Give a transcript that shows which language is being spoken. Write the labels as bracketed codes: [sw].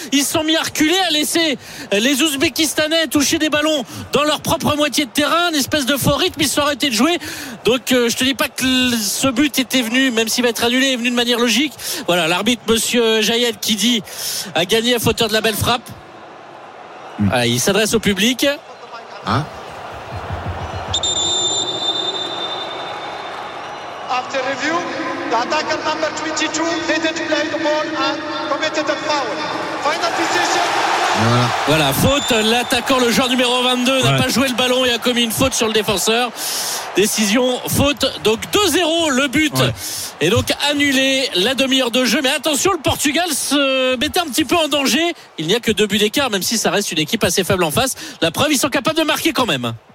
[fr] Ils se sont mis à reculer, à laisser les Ouzbékistanais toucher des ballons dans leur propre moitié de terrain, une espèce de faux rythme, ils se sont arrêtés de jouer, donc je te dis pas que ce but était venu, même s'il va être annulé, est venu de manière logique. Voilà, l'arbitre monsieur Jayed qui dit à Gagnef, auteur de la belle frappe, il s'adresse au public. Hein? [en] After review, the attacker number 22 didn't play the ball and committed a foul. Final decision. [fr] Voilà, faute. L'attaquant, le joueur numéro 22, n'a pas joué le ballon et a commis une faute sur le défenseur. Décision faute. Donc 2-0 le but est donc annulé. La demi-heure de jeu. Mais attention, le Portugal se mettait un petit peu en danger. Il n'y a que deux buts d'écart, même si ça reste une équipe assez faible en face. La preuve, ils sont capables de marquer quand même.